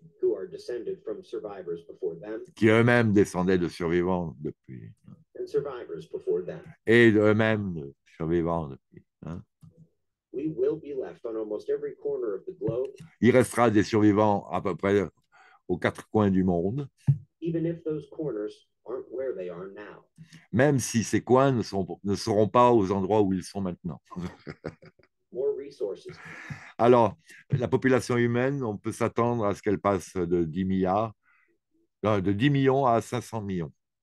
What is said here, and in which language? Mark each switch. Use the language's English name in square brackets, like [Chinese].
[English] Who are descended from survivors before them. [French] Qui eux-mêmes descendaient de survivants depuis. [English] And survivors before them. [French] Et eux-mêmes de survivants depuis. Hein? [English] We will be left on almost every corner of the globe. [French] Il restera des survivants à peu près aux quatre coins du monde. [English] Even if those corners aren't where they are now. [French] Même si ces coins ne seront pas aux endroits où ils sont maintenant. [English] More resources. [French] Alors, la population humaine, on peut s'attendre à ce qu'elle passe de 10 milliards, de 10 millions à 500 millions.